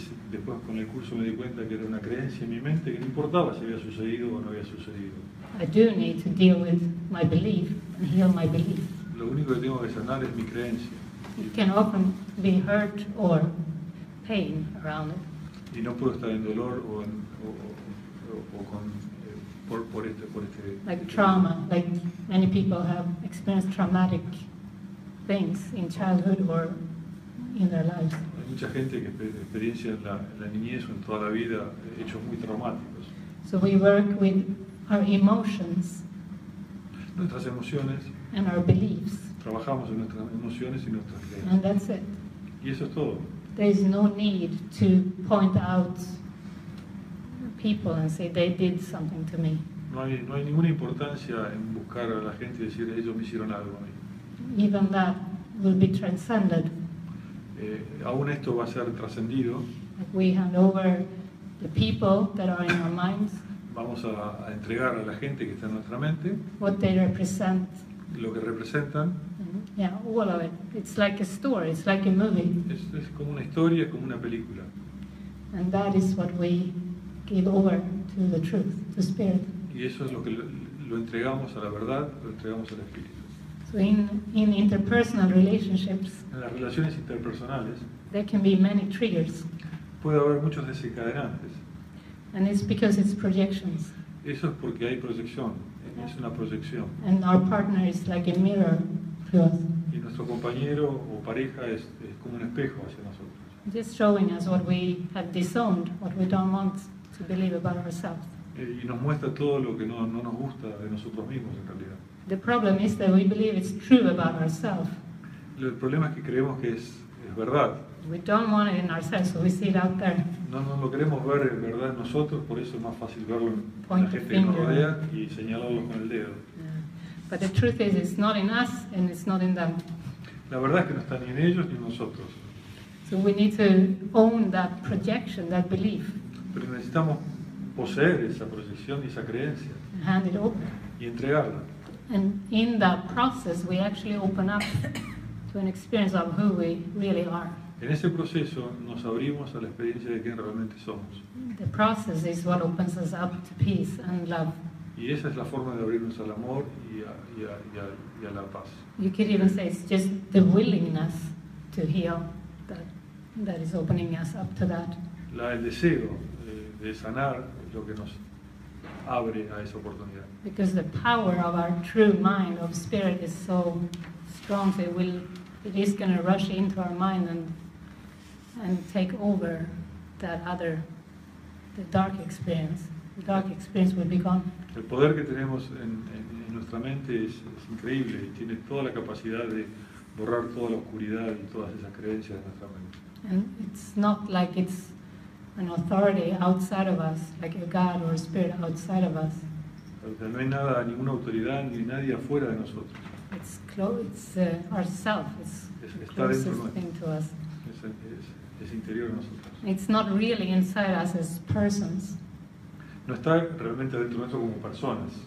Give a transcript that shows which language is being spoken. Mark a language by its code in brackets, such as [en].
[es] Después con el curso me di cuenta que era una creencia en mi mente que no importaba si había sucedido o no había sucedido. [en] I do need to deal with my belief and heal my belief. [es] Lo único que tengo que sanar es mi creencia. [en] It can often be hurt or pain around it. [es] Y no puedo estar en dolor o con este. [en] Like trauma, like many people have experienced traumatic things in childhood or in their lives. [es] Hay mucha gente que experiencia en la niñez o en toda la vida hechos muy traumáticos. [en] So we work with our emotions. [es] Nuestras emociones. [en] And our beliefs. [es] Trabajamos en nuestras emociones y nuestras creencias. [en] And that's it. [es] Y eso es todo. [en] There is no need to point out people and say they did something to me. [es] No hay ninguna importancia en buscar a la gente y decir ellos me hicieron algo a mí. [en] Even that will be transcended. [es] Aún esto va a ser trascendido. [en] We hand over the people that are in our minds. [es] Vamos a entregar a la gente que está en nuestra mente. [en] What they represent. [es] Lo que representan. [en] Mm-hmm. Yeah, all of it. It's like a story. It's like a movie. [es] Es como una historia, como una película. [en] And that is what we give over to the truth, to spirit. [es] Y eso es lo que lo entregamos a la verdad, lo entregamos al espíritu. [en] So in interpersonal relationships, [es] en las relaciones interpersonales, [en] there can be many triggers. [es] Puede haber muchos desencadenantes. [en] And it's because it's projections. [es] Eso es porque hay proyección. Es una proyección. [en] And our partner is like a mirror to us. [es] Y nuestro compañero o pareja es como un espejo hacia nosotros. [en] Just showing us what we have disowned, what we don't want to believe about ourselves. [es] Y nos muestra todo lo que no nos gusta de nosotros mismos en realidad. [en] The problem is that we believe it's true about ourselves. [es] El problema es que creemos que es verdad. [en] We don't want it in ourselves, so we see it out there. [es] No lo queremos ver en verdad en nosotros, por eso es más fácil verlo en point la gente finger. Que nos rodea y señalarlo con el dedo. [en] Yeah. But the truth is, it's not in us and it's not in them. [es] La verdad es que no está ni en ellos ni en nosotros. [en] So we need to own that projection, that belief. [es] Pero necesitamos poseer esa proyección y esa creencia. [en] Hand it over. [es] Y entregarla. [en] And in that process, we actually open up to an experience of who we really are. [es] En ese proceso, nos abrimos a la experiencia de quién realmente somos. [en] The process is what opens us up to peace and love. [es] Y esa es la forma de abrirnos al amor y a la paz. [en] You could even say it's just the willingness to heal that is opening us up to that. [es] El deseo de sanar lo que nos abre a esa oportunidad. [en] Because the power of our true mind, of spirit, is so strong, so it is going to rush into our mind and take over that other, the dark experience. The dark experience will be gone. [es] El poder que tenemos en nuestra mente es increíble. Tiene toda la capacidad de borrar toda la oscuridad y todas esas creencias de nuestra mente. [en] And it's not like it's an authority outside of us, like a God or a spirit outside of us. [es] No hay nada, ninguna autoridad ni nadie afuera de nosotros. [en] It's close, it's ourself, it's [es] está [en] the closest thing to us. [es] Es interior de nosotros. [en] It's not really inside us as persons. [es] No está realmente dentro de nosotros como personas.